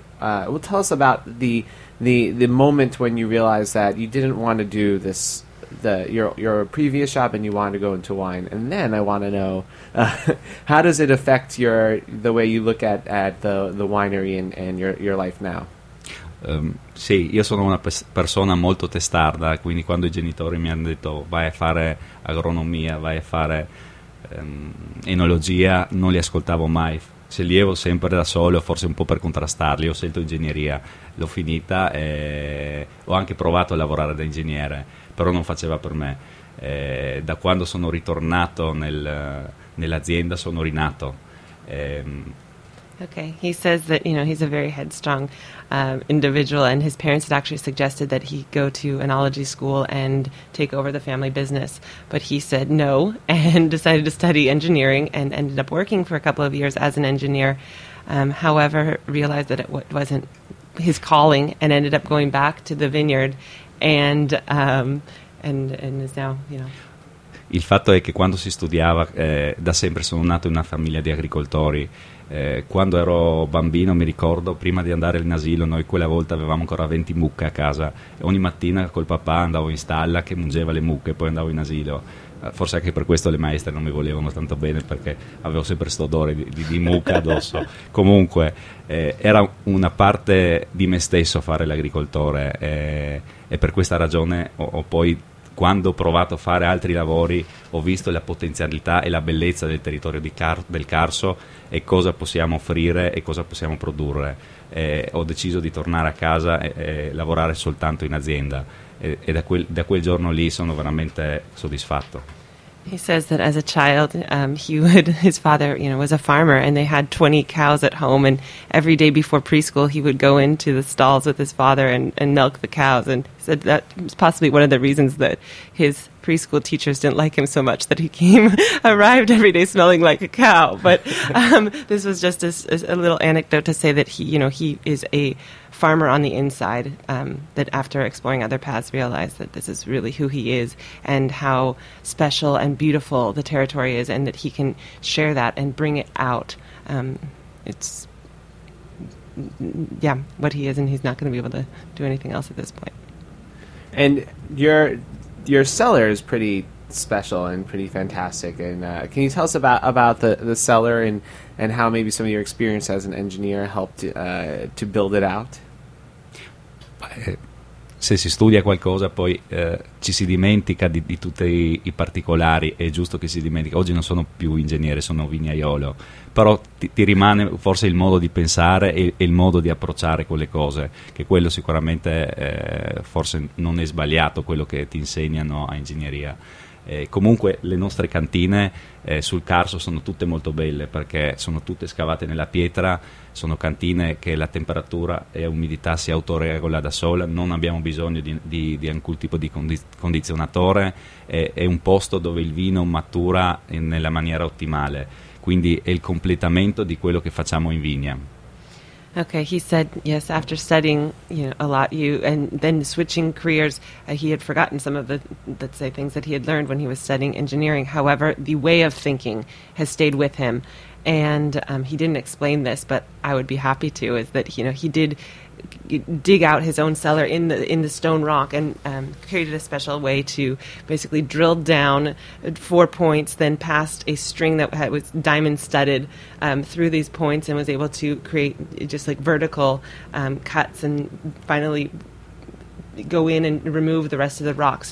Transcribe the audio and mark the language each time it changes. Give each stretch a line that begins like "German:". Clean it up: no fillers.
English: well, tell us about the moment when you realized that you didn't want to do this, your previous job, and you wanted to go into wine. And then I want to know how does it affect the way you look at the winery and your life now?
Italian: Sì, io sono una persona molto testarda, quindi quando i genitori mi hanno detto vai a fare agronomia, vai a fare enologia, non li ascoltavo mai. Sceglievo sempre da solo, forse un po' per contrastarli. Ho scelto ingegneria, l'ho finita e ho anche provato a lavorare da ingegnere, però non faceva per me. Da quando sono ritornato nell'azienda sono rinato.
English: Okay, he says that, you know, he's a very headstrong individual, and his parents had actually suggested that he go to enology school and take over the family business, but he said no and decided to study engineering and ended up working for a couple of years as an engineer. However, realized that it wasn't his calling and ended up going back to the vineyard, and is now, you know.
Italian: Il fatto è che quando si studiava, da sempre sono nato in una famiglia di agricoltori. Quando ero bambino mi ricordo, prima di andare in asilo, noi quella volta avevamo ancora 20 mucche a casa, ogni mattina col papà andavo in stalla che mungeva le mucche, poi andavo in asilo. Forse anche per questo le maestre non mi volevano tanto bene, perché avevo sempre sto odore di mucca addosso. Comunque era una parte di me stesso fare l'agricoltore, e per questa ragione ho poi, quando ho provato a fare altri lavori, ho visto la potenzialità e la bellezza del territorio del Carso e cosa possiamo offrire e cosa possiamo produrre. Ho deciso di tornare a casa e lavorare soltanto in azienda, e da quel giorno lì sono veramente soddisfatto.
English: He says that as a child, his father, you know, was a farmer, and they had 20 cows at home, and every day before preschool he would go into the stalls with his father and milk the cows, and he said that was possibly one of the reasons that his preschool teachers didn't like him so much, that he came arrived every day smelling like a cow. But this was just a little anecdote to say that he, you know, he is a farmer on the inside, that after exploring other paths realized that this is really who he is and how special and beautiful the territory is, and that he can share that and bring it out. It's what he is, and he's not going to be able to do anything else at this point. And your cellar is pretty special and pretty fantastic, and can you tell us about the cellar and how maybe some of your experience as an engineer helped to build it out?
Italian: Se si studia qualcosa poi ci si dimentica di tutti i particolari, è giusto che si dimentica. Oggi non sono più ingegnere, sono vignaiolo, però ti rimane forse il modo di pensare e il modo di approcciare quelle cose, che quello sicuramente forse non è sbagliato quello che ti insegnano a ingegneria. Comunque le nostre cantine sul Carso sono tutte molto belle, perché sono tutte scavate nella pietra, sono cantine che la temperatura e umidità si autoregola da sola, non abbiamo bisogno di alcun tipo di condizionatore, è un posto dove il vino matura nella maniera ottimale. quindi è il completamento di quello che facciamo in vigna.
English: Okay, he said yes. After studying, you know, a lot, you and then switching careers, he had forgotten some of the, let's say, things that he had learned when he was studying engineering. However, the way of thinking has stayed with him, and he didn't explain this, but I would be happy to. Is that, you know, he did dig out his own cellar in the stone rock and created a special way to basically drill down 4 points, then passed a string that was diamond studded through these points and was able to create just like vertical cuts and finally go in and remove the rest of the rock.